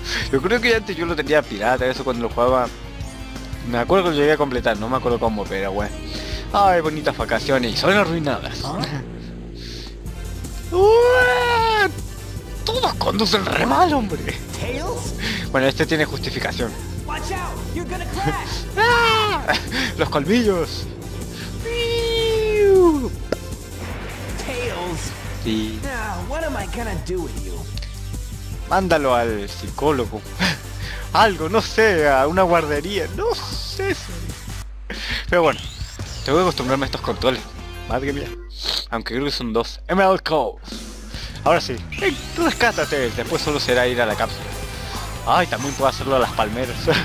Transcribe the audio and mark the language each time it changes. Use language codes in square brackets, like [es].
[es] Yo creo que antes yo lo tenía pirata, eso cuando lo jugaba. Me acuerdo que lo llegué a completar, no me acuerdo cómo, pero bueno. Ay, bonitas vacaciones, son arruinadas. ¿Ah? Todos conducen re mal, hombre. ¿Tails? Bueno, este tiene justificación. [en] Watch out, you're gonna crash. [es] ¡Ah! Los colmillos. Tails. Sí. [en] What am I gonna do with you? [es] Mándalo al psicólogo. Algo, no sé, a una guardería, no sé. Pero bueno, tengo que acostumbrarme a estos controles. Madre mía. Aunque creo que son dos. ML Calls. Ahora sí. Tú rescátate. Después solo será ir a la cápsula. Ay, también puedo hacerlo a las palmeras.